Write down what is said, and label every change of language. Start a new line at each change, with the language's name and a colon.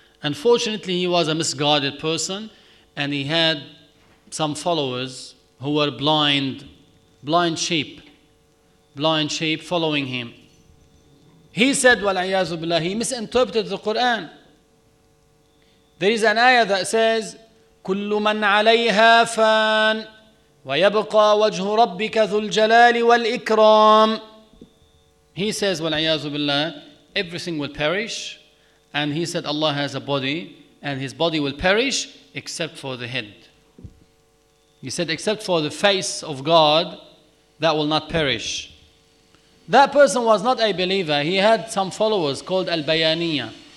English: Unfortunately, he was a misguided person and he had some followers who were blind sheep following him. He said,
Arabic: وَالْعِيَاذُ بِاللَّهِ,
English: he misinterpreted the Quran. There is an ayah that says,
Arabic: كل من عليها فان ويبقى وجه ربك ذو الجلال والإكرام.
English: He says,
Arabic: والعياذ بالله,
English: everything will perish. And he said, Allah has a body, and his body will perish except for the head. He said, except for the face of God, that will not perish. That person was not a believer. He had some followers called Al-Bayaniya.